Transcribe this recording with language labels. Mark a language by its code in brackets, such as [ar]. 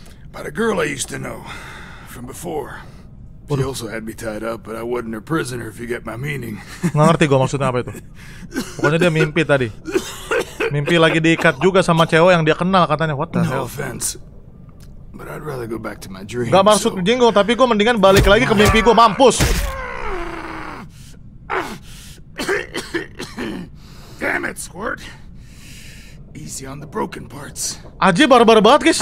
[en] About a girl I used to know from before. What? She also had me tied up, but I wasn't her prisoner, if you get my meaning. [id] Nggak ngerti gua maksudnya apa itu. Pokoknya dia mimpi tadi. Mimpi lagi diikat juga sama cewek yang dia kenal katanya. [en] What the hell? No offense, but I'd rather go back to my dream. [id] Nggak maksud jenggong, tapi gua mendingan balik lagi ke mimpi gua. Mampus. [en] Damn it, Squirt. Easy on the broken parts. [id] Aji barbar banget, guys.